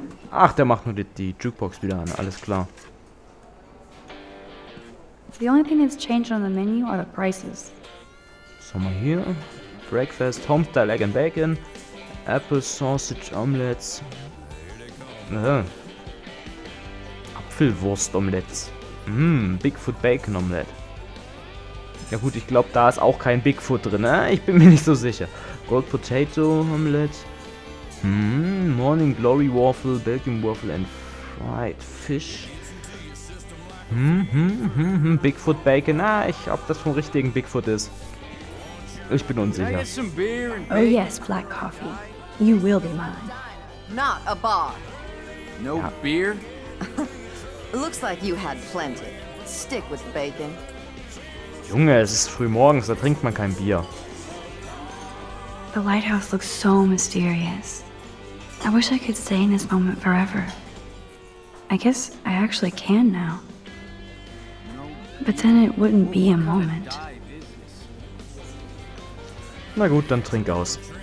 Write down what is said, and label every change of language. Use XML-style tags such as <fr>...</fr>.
<de>Ach, der macht nur die Jukebox wieder an, alles klar.</de> <en>The only thing that's changed on the menu are the prices.</en> <de>So, mal hier.</de> <en>Breakfast, Homestyle Egg and Bacon, Apple Sausage Omelettes. Apfelwurst Omelettes. Bigfoot Bacon Omelette.</en> <de>Ja gut, ich glaube, da ist auch kein Bigfoot drin, ne? Ich bin mir nicht so sicher.</de> <en>Gold Potato Omelette. Morning Glory Waffle, Belgian Waffle and Fried Fish. Bigfoot Bacon.</en> <de>Ah, ich glaube, das vom richtigen Bigfoot ist. Ich bin unsicher.</de> <en>Oh yes, black coffee. You will be mine. Not a bar. No beer? Looks like you had plenty. Stick with bacon.</en> <de>Junge, es ist früh morgens, da trinkt man kein Bier.</de> <en>The lighthouse looks so mysterious. I wish I could stay in this moment forever. I guess I actually can now. But then it wouldn't be a moment.</en> <de>Na gut, dann trink aus.</de>